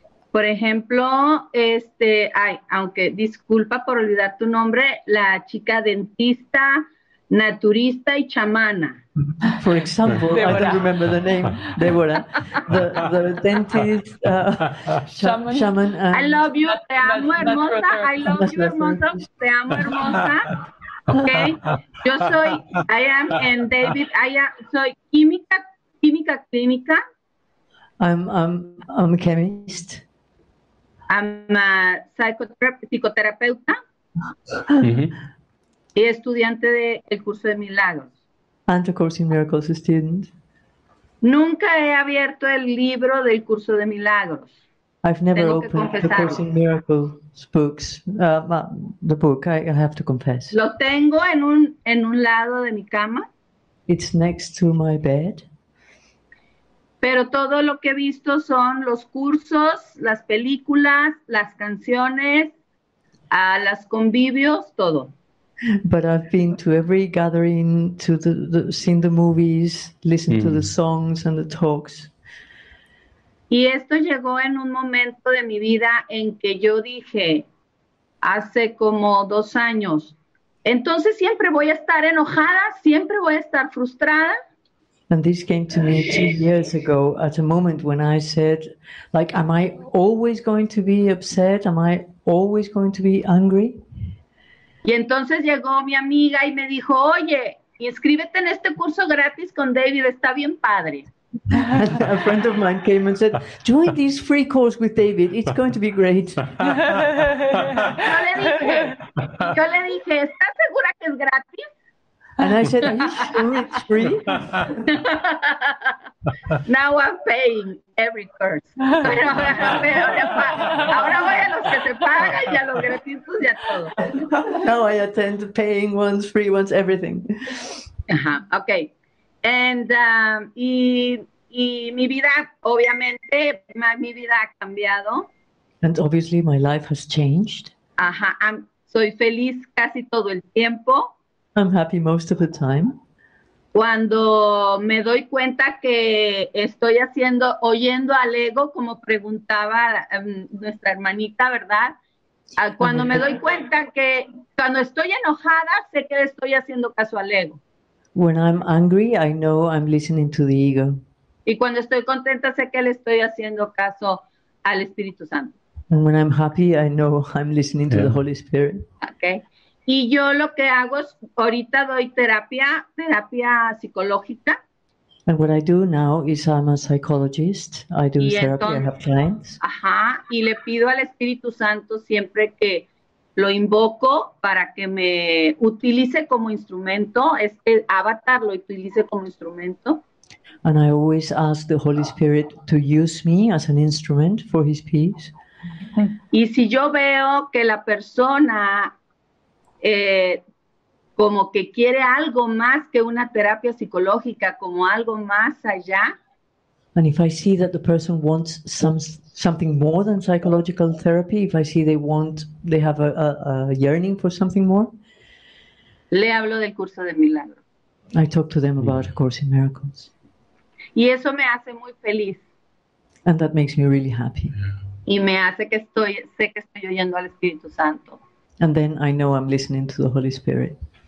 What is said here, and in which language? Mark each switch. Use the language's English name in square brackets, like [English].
[Spanish] Por ejemplo, aunque disculpa por olvidar tu nombre, la chica dentista, naturista y chamana. [English] For example, Deborah. I don't remember the name, Deborah, the dentist, shaman. And I love you, [Spanish] te amo hermosa, [English] I love you [Spanish] hermosa, te amo hermosa. Okay, yo soy, [English] I am, and David, I am, [Spanish] soy química clínica. [English] I'm a chemist. I'm a psicoterapeuta. [Spanish] Y estudiante del curso de milagros. [English] And a Course in Miracles student. [Spanish] Nunca he abierto el libro del curso de milagros. [English] I've never opened the Course in Miracles books. The book, I have to confess. [Spanish] Lo tengo en un lado de mi cama. [English] It's next to my bed. [Spanish] Pero todo lo que he visto son los cursos, las películas, las canciones, las convivios, todo. [English] But I've been to every gathering, to the seen the movies, listened to the songs and the talks. [Spanish] Y esto llegó en un momento de mi vida en que yo dije, hace como 2 años, entonces siempre voy a estar enojada, siempre voy a estar frustrada. [English] And this came to me 2 years ago at a moment when I said, like, am I always going to be upset? Am I always going to be angry? [Spanish] Y entonces llegó mi amiga y me dijo, oye, inscríbete en este curso gratis con David, está bien padre. [English] A friend of mine came and said, join this free course with David, it's going to be great. [Spanish] Yo le dije, ¿estás segura que es gratis? [English] And I said, are you sure it's free? Now I'm paying every course. [Spanish] Pero ahora voy a los que se pagan y a los gratuitos y a todos. [English] Now I attend paying ones, free ones, everything. [Spanish] Uh-huh. Okay. And y mi vida, obviamente, mi vida ha cambiado. [English] And obviously my life has changed. [Spanish] Ajá, soy feliz casi todo el tiempo. [English] I'm happy most of the time. [Spanish] Cuando me doy cuenta que estoy haciendo, oyendo al ego, como preguntaba nuestra hermanita, ¿verdad? Cuando me doy cuenta que cuando estoy enojada, sé que estoy haciendo caso al ego. [English] When I'm angry, I know I'm listening to the ego. [Spanish] Y cuando estoy contenta, sé que le estoy haciendo caso al Espíritu Santo. [English] And when I'm happy, I know I'm listening to the Holy Spirit. [Spanish] Okay. Y yo lo que hago es, ahorita doy terapia psicológica. [English] And what I do now is I'm a psychologist. I do therapy, I have clients. [Spanish] Ajá, y le pido al Espíritu Santo siempre que lo invoco para que me utilice como instrumento, este avatar lo utilice como instrumento. [English] And I always ask the Holy Spirit to use me as an instrument for his peace. [Spanish] Y si yo veo que la persona como que quiere algo más que una terapia psicológica, como algo más allá. [English] And if I see that the person wants something more than psychological therapy, if I see they have a yearning for something more. [Spanish] Le hablo del curso de milagros. [English] I talk to them about A Course in Miracles. [Spanish] Y eso me hace muy feliz. [English] And that makes me really happy. [Spanish] Y me hace que sé que estoy oyendo al Espíritu Santo. [English] And then I know I'm listening to the Holy Spirit.